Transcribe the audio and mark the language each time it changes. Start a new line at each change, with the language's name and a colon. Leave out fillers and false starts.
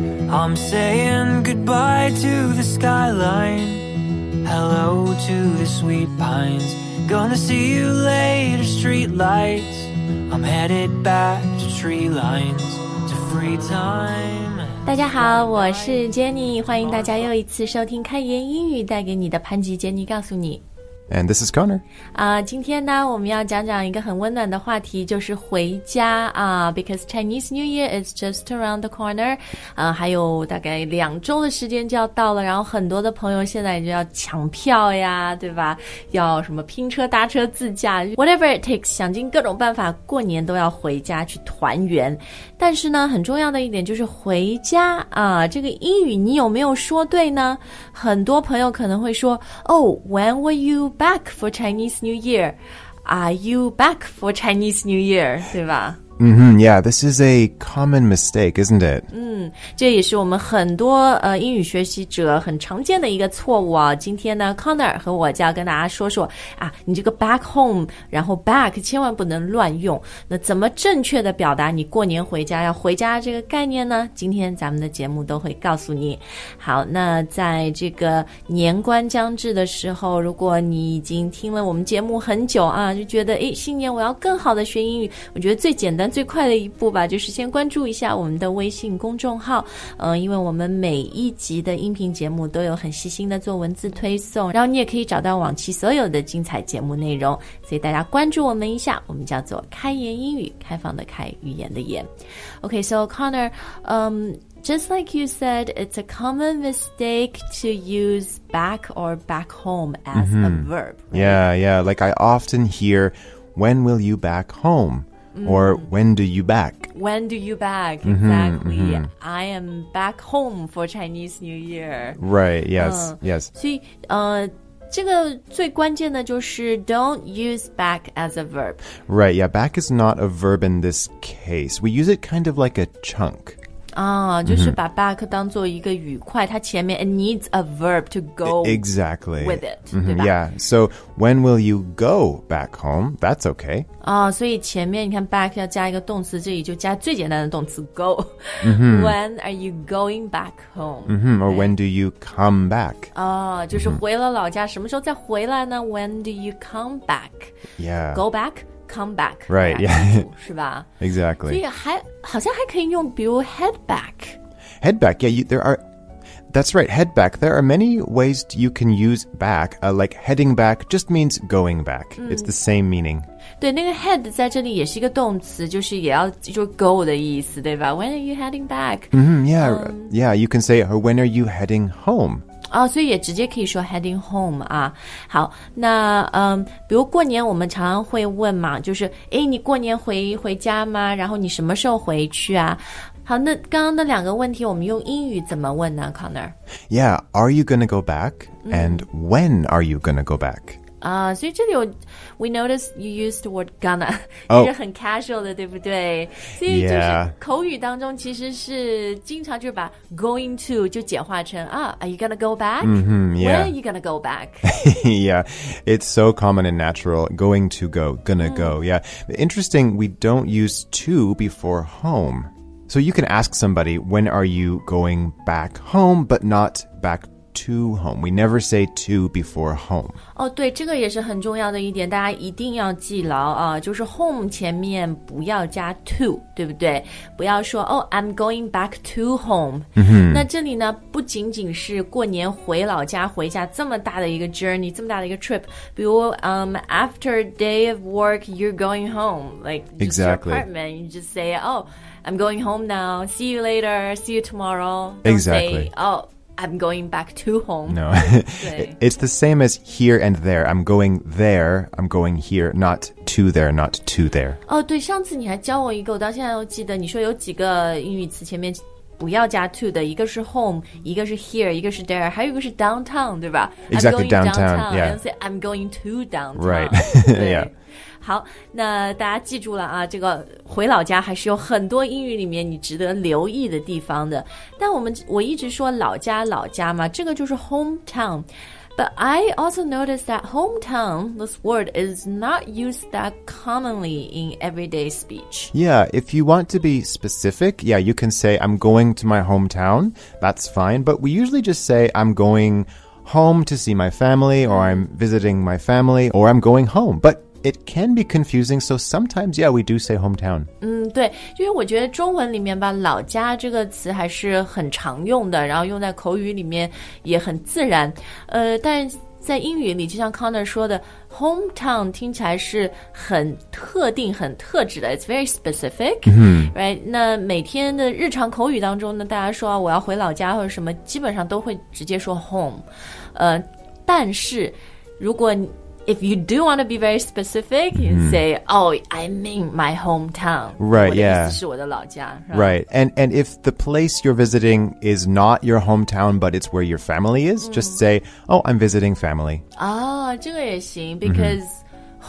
English: I'm saying goodbye to the skyline. Hello to the sweet pines. Gonna see you later, street lights. I'm headed back to tree lines, to free time.
Chinese: 大家好，我是 Jenny， 欢迎大家又一次收听开言英语带给你的潘吉 Jenny 告诉你。
English: And this is Connor.
Chinese: 今天呢我们要讲讲一个很温暖的话题，就是回家啊、
English: because Chinese New Year is just around the corner.
Chinese: 还有大概两周的时间就要到了，然后很多的朋友现在就要抢票呀，对吧，要什么拼车搭车自驾
English: whatever it takes，
Chinese: 想尽各种办法过年都要回家去团圆。但是呢很重要的一点就是回家啊、这个英语你有没有说对呢？很多朋友可能会说
English: Oh, when were youback for Chinese New Year? Are you back for Chinese New Year?
Chinese: 对吧、
English: mm-hmm, yeah, this is a common mistake, isn't it?、
Chinese: 这也是我们很多、英语学习者很常见的一个错误、今天呢 Connor 和我就要跟大家说说、你这个 back home 然后 back 千万不能乱用，那怎么正确的表达你过年回家要回家这个概念呢？今天咱们的节目都会告诉你。好，那在这个年关将至的时候，如果你已经听了我们节目很久啊，就觉得新年我要更好的学英语，我觉得最简单最快的一步吧，就是先关注一下我们的微信公众号，因为我们每一集的音频节目都有很细心的做文字推送，然后你也可以找到往期所有的精彩节目内容，所以大家关注我们一下，我们叫做开言英语，开放的开，语言的言。
English: OK, so Connor, just like you said, it's a common mistake to use back or back home as、mm-hmm. a verb.、 Right? Yeah, yeah, like I often hear, when will you back home? Or when do you back? When do you back? Exactly. Mm-hmm, mm-hmm. I am back home for Chinese New Year. Right, yes, yes.
Chinese: 所以这个最关键的就是
English: don't use back as a verb. Right, yeah, back is not a verb in this case. We use it kind of like a chunk.
Chinese: 就是把 back 当做一个语块，它前面
English: it needs a verb to go exactly with it、 mm-hmm,
Chinese: 对吧
English: yeah, so when will you go back home? That's okay
Chinese: 所以前面你看 back 要加一个动词，这里就加最简单的动词 go、 mm-hmm.
English: when are you going back home?、 Mm-hmm, or when do you come back?
Chinese: 就是回了老家、mm-hmm. 什么时候再回来呢？
English: when do you come back? Yeah, go backcome back right yeah
Chinese: 是吧
English: exactly
Chinese: 所以还好像还可以用比如 head back
English: yeah there are that's right head back there are many ways you can use back like heading back just means going back、it's the same meaning
Chinese: 对那个 head 在这里也是一个动词就是也要就 go 的意思对吧
English: when are you heading back、 mm-hmm, yeah、yeah you can say or when are you heading home
Chinese: 所以也直接可以说 heading home 啊。好，那比如过年我们常常会问嘛，就是诶，你过年回家吗？然后你什么时候回去啊？好，那刚刚的两个问题我们用英语怎么问呢 Connor?
English: Yeah, are you gonna go back? And when are you gonna go back?
Chinese: 所以这里
English: we noticed you used the word gonna,
Chinese: 就是很 casual 的对不对？所以就是口语当中其实是经常就是把 going to 就简化成
English: are you gonna go back? Mm-hmm, yeah. When are you gonna go back? yeah, it's so common and natural, going to go, gonna go, yeah. Interesting, we don't use to before home. So you can ask somebody, when are you going back home, but not back toto home. We never say to before home.
Chinese: 对，这个也是很重要的一点，大家一定要记牢啊，就是 home 前面不要加 to, 对不对？不要说
English: I'm going back to home.、 Mm-hmm.
Chinese: 那这里呢，不仅仅是过年回老家回家这么大的一个 journey, 这么大的一个 trip, 比如
English: after day of work, you're going home. Like, just exactly. your apartment, you just say, I'm going home now, see you later, see you tomorrow.、Don't、 exactly. Say, I'm going back to home. No, it's the same as here and there. I'm going there. I'm going here, not to there, not to there.
Chinese: 对，上次你还教我一个，我到现在都记得。你说有几个英语词前面不要加 to 的，一个是 home, 一个是 here, 一个是 there, 还有一个是 downtown, 对吧
English: ？Exactly downtown. Yeah. And say I'm going to downtown. Right. yeah.
Chinese: 好，那大家记住了啊，这个回老家还是有很多英语里面你值得留意的地方的。但我一直说老家嘛，这个就是 hometown。
English: But I also noticed that hometown, this word, is not used that commonly in everyday speech. Yeah, if you want to be specific, yeah, you can say, I'm going to my hometown. That's fine. But we usually just say, I'm going home to see my family, or I'm visiting my family, or I'm going home. But it can be confusing, so sometimes, yeah, we do say hometown.
Chinese: 对，因为我觉得中文里面吧，老家这个词还是很常用的，然后用在口语里面也很自然。但在英语里，就像 Connor 说的 ，hometown 听起来是很特定、很特指的 ，
English: it's very specific,、 mm-hmm. right?
Chinese: 那每天的日常口语当中呢，大家说、啊、我要回老家或者什么，基本上都会直接说 home。但是如果
English: If you do want to be very specific, you say, oh, I mean my hometown. Right, yeah.
Chinese: 我的意思是我的老家。
English: Right, and if the place you're visiting is not your hometown, but it's where your family is, just say, oh, I'm visiting family.
Chinese: 啊、oh, 这个也行
English: because、
Chinese: mm-hmm.